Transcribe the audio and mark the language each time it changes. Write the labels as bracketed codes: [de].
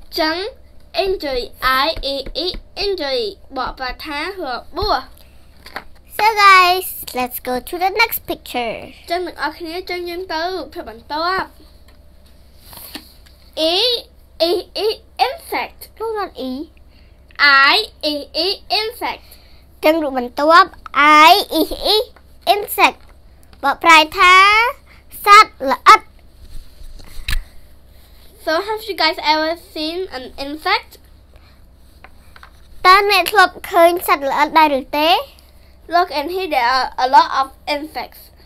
[km] ចឹង [en] injury I injury [km] បកប្រែថាហួបួស [en] So guys let's go to the next picture [km] ចឹងអ្នកអរគ្នាចឹងយើងទៅភាពបន្ទាប់ [en] E insect. No, not E. I insect. [km] ចឹងរូបបន្ទាប់ [en] I insect. [km] បកប្រែថាសត្វល្អិត [en] So have you guys ever seen an insect? [km] តើអ្នកធ្លាប់ឃើញសត្វល្អិតដែរឬទេ? [en] Look and here there are a lot of insects.